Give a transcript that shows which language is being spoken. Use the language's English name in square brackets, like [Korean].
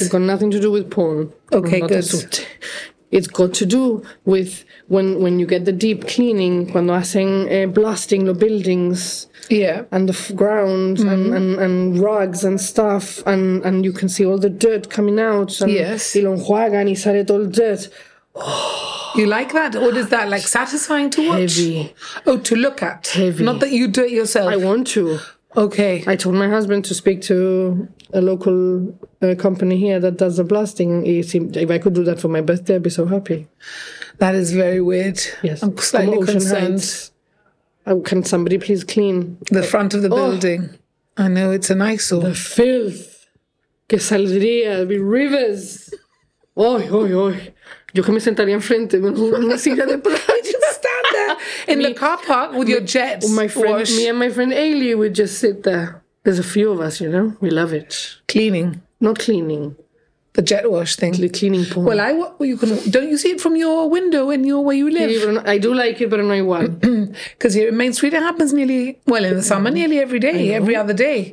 [English] It's got nothing to do with porn. Okay, good. It's got to do with when you get the deep cleaning, [Spanish] cuando hacen [English] blasting the buildings. Yeah. And the ground and rugs and stuff. And you can see all the dirt coming out. And yes. [Spanish] Y lo enjuagan y sale todo el [English] dirt. You like that? What is that, like, satisfying to watch? Heavy. Oh, to look at. Heavy. Not that you do it yourself. I want to. Okay. I told my husband to speak to a local company here that does the blasting. He seemed, if I could do that for my birthday, I'd be so happy. That is very weird. Yes. I'm slightly concerned. Can somebody please clean the front of the building? I know, it's an eyesore. The filth. [Spanish] Que saldría. [English] It'd be rivers. Oy, oy, oy. [Spanish] Yo que me sentaría enfrente de una silla de playa. [English] In the car park with your jets. My friend, me and my friend Ailey would just sit there. There's a few of us, you know? We love it. Cleaning. Not cleaning. The jet wash thing. The cleaning porn. Well, don't you see it from your window in your where you live? I do like it, but I know you want. Because here in Main Street, it happens nearly, well, in the summer, nearly every day, every other day.